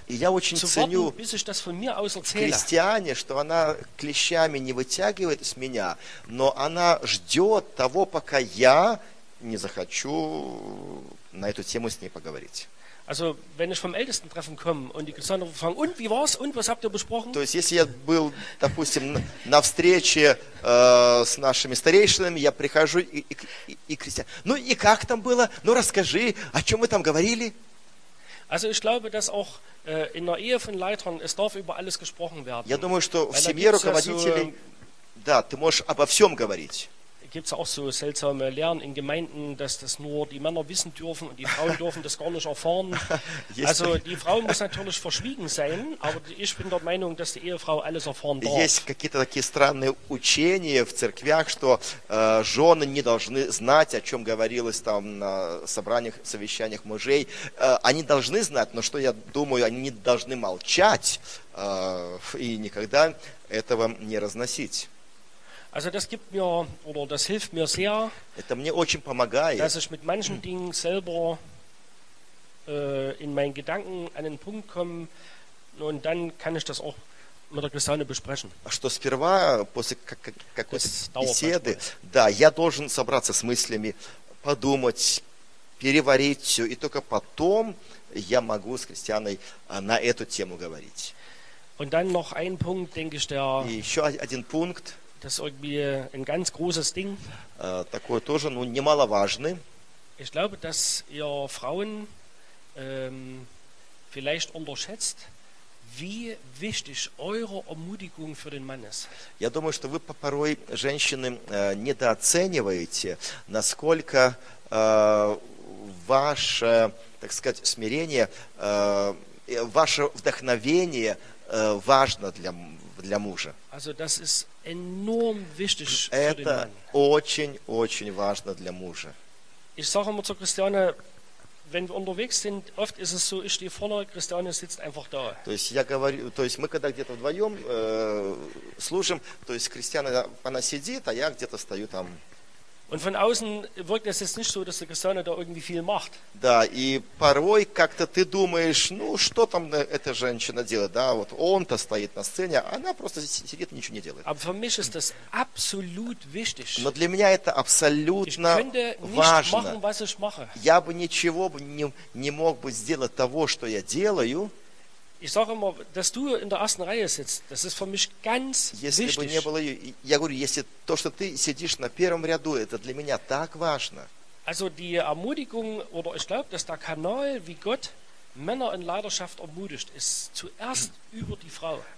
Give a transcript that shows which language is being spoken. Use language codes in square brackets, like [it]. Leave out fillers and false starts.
[ru] И я очень ценю Кристиане, что она клещами не вытягивает с меня, но она ждет того, пока я не захочу на эту тему с ней поговорить. [de] Also, wenn ich vom Ältestentreffen komme und die Christiane fragen, und wie war's und was habt ihr besprochen? [ru] То есть, если я был, допустим, на встрече с нашими старейшинами, я прихожу и Кристиан, ну и как там было? Ну расскажи, о чем мы там говорили? [de] Also, ich glaube, dass auch in der Ehe von Leitern es darf über alles gesprochen werden. [ru] Я думаю, что в семье руководителей, да, ты можешь обо всем говорить. [de] Gibt es auch so seltsame Lehren in Gemeinden, dass das nur die Männer wissen dürfen und die Frauen dürfen das gar nicht erfahren. Also die Frau muss natürlich verschwiegen sein, aber ich bin der Meinung, dass die Ehefrau alles erfahren darf. [ru] Есть какие-то такие странные учения в церквях, что жены не должны знать, о чем говорилось там на собраниях, совещаниях мужей. Они должны знать, но что я думаю, они не должны молчать и никогда этого не разносить. [de] Also das gibt mir oder das hilft mir sehr. [ru] Это мне очень помогает. [de] Dass ich mit manchen Dingen selber in meinen Gedanken an einen Punkt komme und dann kann ich das auch mit der Christiane besprechen. [ru] А что сперва после какой-то беседы? Да, я должен собраться с мыслями, подумать, переварить все и только потом я могу с Кристианой на эту тему говорить. [de] Und dann noch ein Punkt, denke ich, der. [ru] И еще один пункт. [de] Das ist irgendwie ein ganz großes Ding. [ru] Такое тоже, ну, немаловажно. [de] Ich glaube, dass ihr Frauen vielleicht unterschätzt, wie wichtig eure Ermutigung für den Mann ist. [ru] Я думаю, что вы порой, женщины, недооцениваете, насколько ваше, так сказать, смирение, ваше вдохновение важно для мужа. [de] Also das ist enorm wichtig für den Mann. [ru] Это очень-очень важно для мужа. [de] Ich sage immer zu Christiane, wenn wir unterwegs sind, oft ist es so, ich stehe vorne, Christiane sitzt einfach da. [ru] То есть я говорю, то есть мы когда где-то вдвоем служим, то есть Christiane она сидит, а я где-то стою там. [de] Und von außen wirkt es jetzt nicht so, dass der Christiane da irgendwie viel macht. [ru] Да, и порой как-то ты думаешь, ну что там эта женщина делает, да, вот он-то стоит на сцене, она просто сидит и ничего не делает. [de] Aber für mich ist das absolut wichtig. [ru] Но для меня это абсолютно важно. [de] Ich könnte nicht machen, was ich mache. [ru] Я бы ничего бы не мог бы сделать того, что я делаю. [de] Ich sage immer, dass du in der ersten Reihe sitzt, das ist für mich ganz [ru] если [de] wichtig. [ru] Бы не было, я говорю, если то, что ты сидишь на первом ряду, это для меня так важно. [de] Also die Ermutigung, oder ich glaube, dass der Kanal, wie Gott Männer in Leidenschaft ermutigt, ist zuerst über die Frau.